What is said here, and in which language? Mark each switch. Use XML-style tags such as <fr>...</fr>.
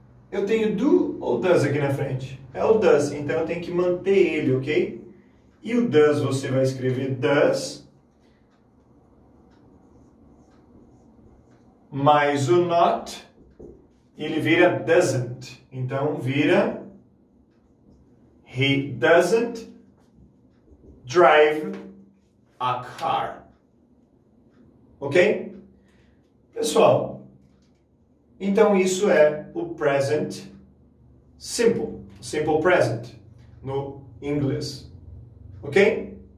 <pt>Eu tenho do ou does aqui na frente? É o does, então eu tenho que manter ele, ok? E o does você vai escrever does mais o not, ele vira doesn't. Então vira</pt> <en>he doesn't drive a car. Ok?</en> <pt>Pessoal, então isso é o present simple. Simple present no inglês. Ok?</pt>